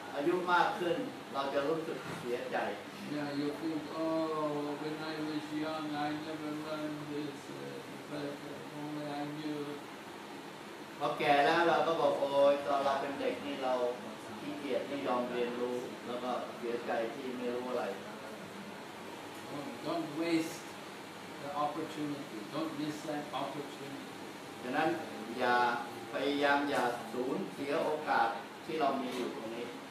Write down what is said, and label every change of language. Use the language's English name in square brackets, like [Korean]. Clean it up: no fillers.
[Thai] หากว่าตอนเป็นเด็กเราไม่พยายามเรียนรู้เดี๋ยวพอเราแก่ขึ้นอายุมากขึ้นเราจะรู้สึกเสียใจ [English] Yeah, you think, oh, when I was young, I never learned this, but only I knew. [Thai] พอแก่แล้วเราก็บอกโอ้ยตอนเราเป็นเด็กนี่เราขี้เกียจไม่ยอมเรียนรู้แล้วก็เสียใจที่ไม่รู้อะไร [English] Don't waste the opportunity. Don't miss that opportunity. [Thai] ฉะนั้นอย่าพยายามอย่าสูญเสียโอกาสที่เรามีอยู่ตรงนี้